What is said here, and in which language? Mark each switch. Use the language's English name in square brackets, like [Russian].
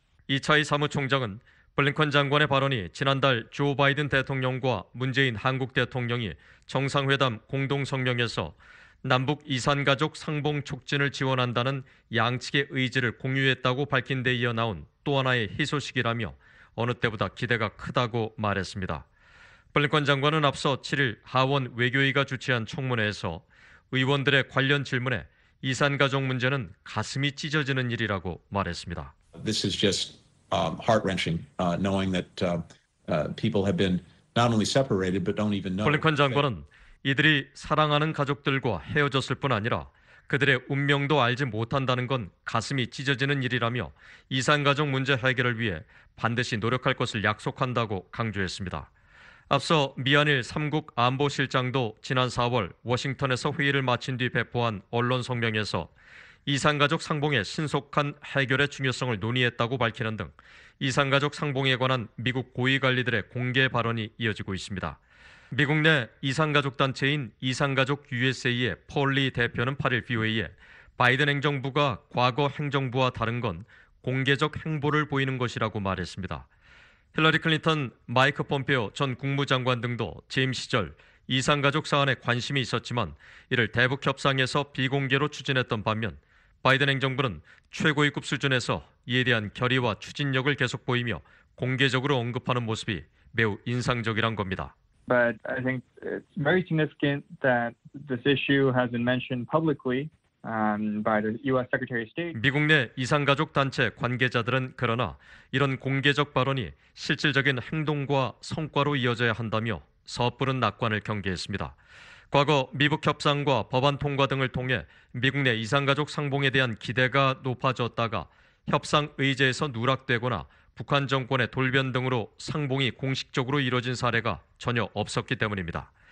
[Korean] 이차희 사무총장은 블링컨 장관의 발언이 지난달 조 바이든 대통령과 문재인 한국 대통령이 정상회담 공동성명에서 남북 이산가족 상봉 촉진을 지원한다는 양측의 의지를 공유했다고 밝힌 데 이어 나온 또 하나의 희소식이라며 어느 때보다 기대가 크다고 말했습니다. 블링컨 장관은 앞서 7일 하원 외교위가 주최한 청문회에서 의원들의 관련 질문에 이산가족 문제는 가슴이 찢어지는 일이라고 말했습니다. [English] This is just heart-wrenching knowing that people have been not only separated but don't even know. [Korean] 블링컨 장관은 이들이 사랑하는 가족들과 헤어졌을 뿐 아니라 그들의 운명도 알지 못한다는 건 가슴이 찢어지는 일이라며 이산가족 문제 해결을 위해 반드시 노력할 것을 약속한다고 강조했습니다. 앞서 미한일 3국 안보실장도 지난 4월 워싱턴에서 회의를 마친 뒤 배포한 언론 성명에서 이산가족 상봉의 신속한 해결의 중요성을 논의했다고 밝히는 등 이산가족 상봉에 관한 미국 고위관리들의 공개 발언이 이어지고 있습니다. 미국 내 이산가족 단체인 이산가족 USA의 폴리 대표는 8일 BOA에 바이든 행정부가 과거 행정부와 다른 건 공개적 행보를 보이는 것이라고 말했습니다. 힐러리 클린턴, 마이크 폼페오 전 국무장관 등도 재임 시절 이산가족 사안에 관심이 있었지만 이를 대북 협상에서 비공개로 추진했던 반면 바이든 행정부는 최고위급 수준에서 이에 대한 결의와 추진력을 계속 보이며 공개적으로 언급하는 모습이 매우 인상적이란 겁니다. [English] But I think it's very significant that this issue has been mentioned publicly by the U.S. Secretary of State. [Korean] 미국 내 이산가족 단체 관계자들은 그러나 이런 공개적 발언이 실질적인 행동과 성과로 이어져야 한다며 섣부른 낙관을 경계했습니다. 과거 미북 협상과 법안 통과 등을 통해 미국 내 이산가족 상봉에 대한 기대가 높아졌다가 협상 의제에서 누락되거나 북한 정권의 돌변 등으로 상봉이 공식적으로 이뤄진 사례가 전혀 없었기 때문입니다.